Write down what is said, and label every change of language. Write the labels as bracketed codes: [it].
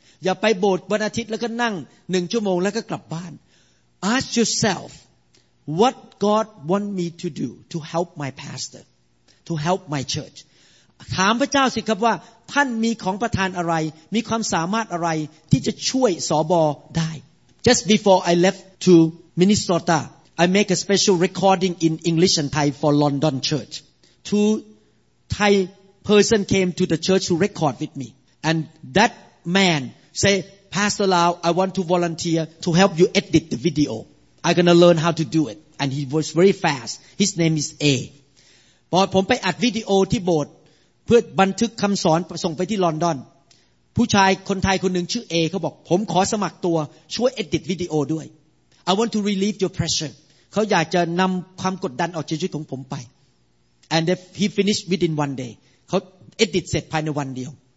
[th] อย่าไปโบสถ์วันอาทิตย์แล้วก็นั่ง1ชั่วโมงแล้วก็กลับบ้าน [en] Ask yourself, what God want me to do to help my pastor, to help my church. [th] ถามพระเจ้าสิครับว่าท่านมีของประทานอะไรมีความสามารถอะไรที่จะช่วยสบได้ [en] Just before I left to Minnesota,I make a special recording in English and Thai for London Church. Two Thai person came to the church to record with me. And that man say, Pastor Lau, I want to volunteer to help you edit the video. I'm going to learn how to do it. And he was very fast. His name is A. [th] พอผมไปอัดวิดีโอที่โบสถ์เพื่อบันทึกคำสอนส่งไปที่ลอนดอนผู้ชายคนไทยคนหนึ่งชื่อ A เขาบอกผมขอสมัครตัวช่วย edit วิดีโอด้วย [en] I want to relieve your pressure. [th] เขาอยากจะนำความกดดันออกจากชีวิตของผมไป [en] and he finished within one day [th] เขา edit เสร็จภายในวันเดียว